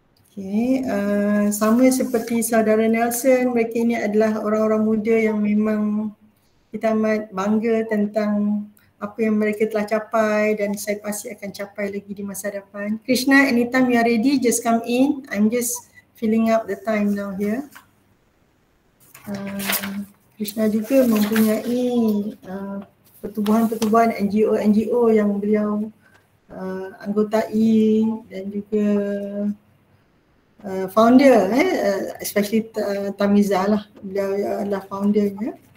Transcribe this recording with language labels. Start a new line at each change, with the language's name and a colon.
Malay: Okey, sama seperti saudara Nelson, mereka ini adalah orang-orang muda yang memang kita amat bangga tentang apa yang mereka telah capai dan saya pasti akan capai lagi di masa depan.
English: Krishna, anytime you are ready, just come in. I'm just filling up the time now here.
Malay: Krishna juga mempunyai pertubuhan-pertubuhan NGO-NGO yang beliau anggotai dan juga founder, especially Tamiza lah, beliau adalah foundernya.